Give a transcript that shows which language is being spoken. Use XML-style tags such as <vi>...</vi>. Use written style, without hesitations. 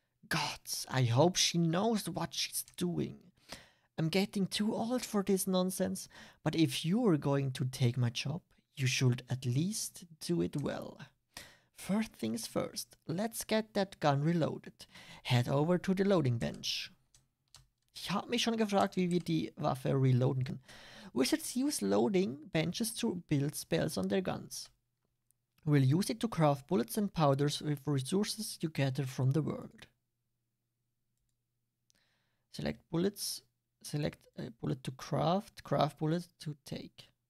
<en>Gods, I hope she knows what she's doing. I'm getting too old for this nonsense, but if you're going to take my job, you should at least do it well. First things first, let's get that gun reloaded. Head over to the loading bench.</en> <de>Ich habe mich schon gefragt, wie wir die Waffe reloaden können.</de> <en>Wizards use loading benches to build spells on their guns. We'll use it to craft bullets and powders with resources you gather from the world. Select bullets. Select a bullet to craft. Craft bullets to take.</en>